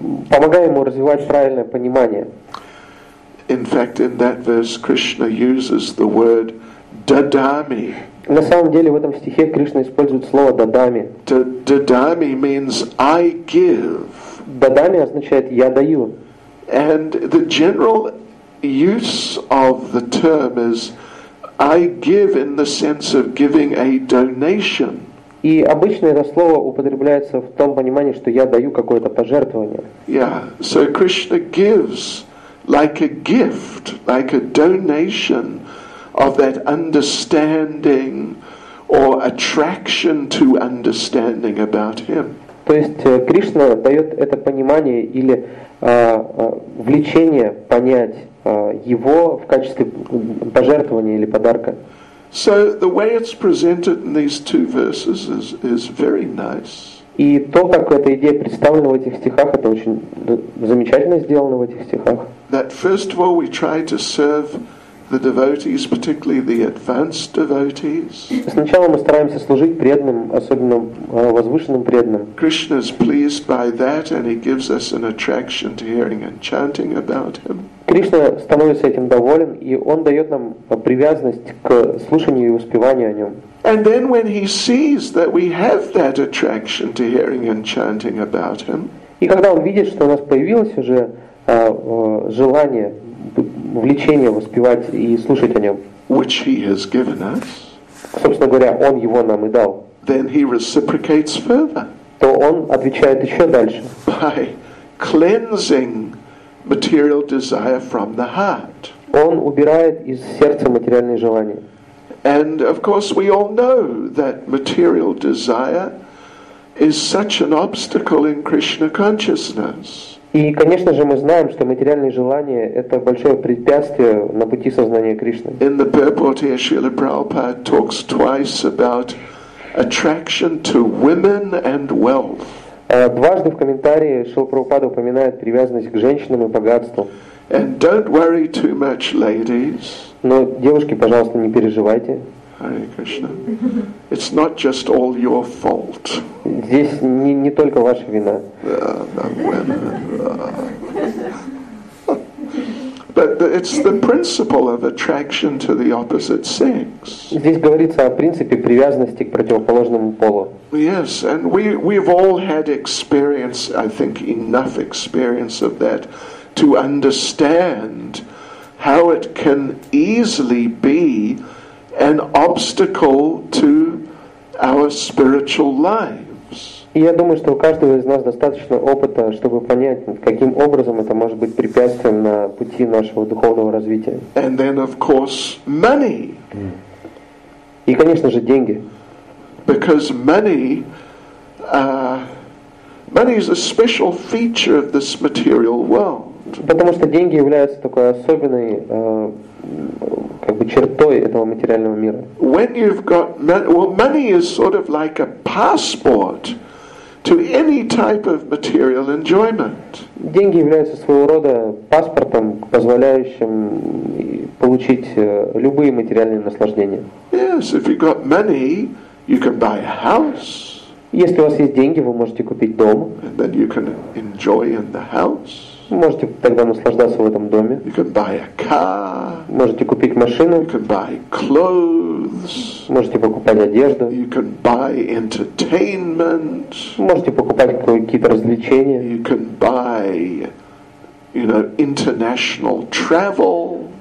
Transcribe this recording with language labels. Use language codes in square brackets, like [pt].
[ru] Помогая ему развивать правильное понимание. [en] In fact, in that verse, Krishna uses the word [sa] Dadami. [ru] На самом деле в этом стихе Кришна использует слово Дадами. [en] Dadami means I give. [ru] Дадами означает я даю. [en] And the general use of the term is I give in the sense of giving a donation. [ru] И обычно это слово употребляется в том понимании, что я даю какое-то пожертвование. [en] Yeah, so Krishna gives like a gift, like a donation of that understanding or attraction to understanding about Him. [ru] То есть Кришна дает это понимание или влечение понять Его в качестве пожертвования или подарка. [en] So the way it's presented in these two verses is very nice. [ru] И то, как эта идея представлена в этих стихах, это очень замечательно сделано в этих стихах. [en] That first of all, we try to serve the devotees, particularly the advanced devotees. [ru] Сначала мы стараемся служить преданным, особенно возвышенным преданным. [en] Krishna is pleased by that, and he gives us an attraction to hearing and chanting about him. [ru] Кришна становится этим доволен, и Он дает нам привязанность к слушанию и воспеванию о Нем. [en] And then when He sees that we have that attraction to hearing and chanting about Him, [ru] и когда Он видит, что у нас появилось уже желание, влечение воспевать и слушать о Нем, [en] which He has given us, [ru] собственно говоря, Он его нам и дал, [en] then He reciprocates further, [ru] то Он отвечает еще дальше. [en] By cleansing material desire from the heart. [ru] Он убирает из сердца материальные желания. [en] And of course we all know that material desire is such an obstacle in Krishna consciousness. [ru] И конечно же мы знаем, что материальные желания это большое препятствие на пути сознания Кришны. [en] In the purport here, Srila Prabhupada talks twice about attraction to women and wealth. [ru] Дважды в комментарии Шрила Прабхупада упоминает привязанность к женщинам и богатству. [en] And don't worry too much, ladies. [ru] Но, девушки, пожалуйста, не переживайте. [en] Hare Krishna. It's not just all your fault. [ru] Здесь не только ваша вина. [en] But it's the principle of attraction to the opposite sex. [ru] Здесь говорится о принципе привязанности к противоположному полу. [en] Yes, and we've all had experience, I think enough experience of that, to understand how it can easily be an obstacle to our spiritual lives. [ru] И я думаю, что у каждого из нас достаточно опыта, чтобы понять, каким образом это может быть препятствием на пути нашего духовного развития. [en] And then, of course, money. [ru] И, конечно же, деньги. [en] Because money is a special feature of this material world. [ru] Потому что деньги являются такой особенной как бы чертой этого материального мира. [en] When you've got money is sort of like a passport to any type of material enjoyment. [ru] Деньги являются своего рода паспортом, позволяющим получить любые материальные наслаждения. [en] Yes, if you've got money, you can buy a house. [ru] Если у вас есть деньги, вы можете купить дом. [en] And then you can enjoy in the house. [ru] Вы можете тогда наслаждаться в этом доме. [en] You can buy a car. [ru] Можете купить машину. [en] You can buy clothes. [ru] Можете покупать одежду. [en] You can buy entertainment. [ru] Можете покупать какие-то развлечения. [en] You can buy, you know, international travel.